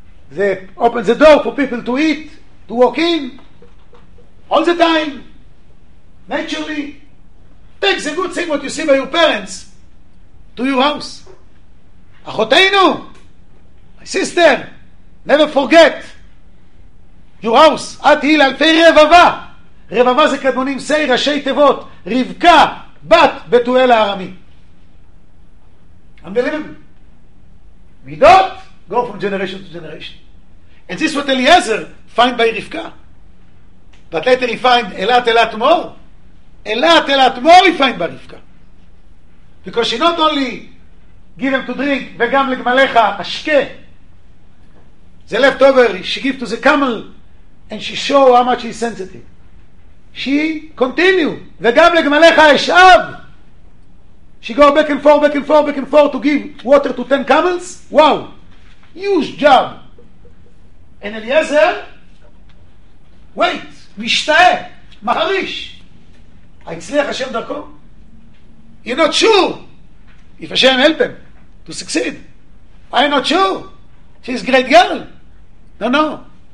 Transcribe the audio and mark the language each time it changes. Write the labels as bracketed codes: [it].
[en] They open the door for people to eat, to walk in, all the time, naturally. Take the good thing what you see by your parents to your house. אחותינו, my sister, never forget your house, [he] את היא לאלפי רבבה. רבבה זה קדמונים, סי ראשי תיבות, רבקה, בת בתואל הארמי. [en] Unbelievable. מידות, go from generation to generation. And this is what Eliezer find by רבקה. But later he find [he] אלת אלת מור. אלת אלת מור [en] he find by [he] רבקה. [en] Because she not only give them to drink, [he] וגם לגמליך אשקה. [en] The leftover she give to the camel, and she show how much she's sensitive. She continue, [he] וגם לגמליך אשאב. [en] She go back and forth, back and forth, back and forth, to give water to 10 camels. Wow. Huge job. And Eliezer, wait, [he] משתאה, מחריש. היצליח השם דרכו? [en] You're not sure if השם help him to succeed. I'm not sure. She's a great girl. No, no.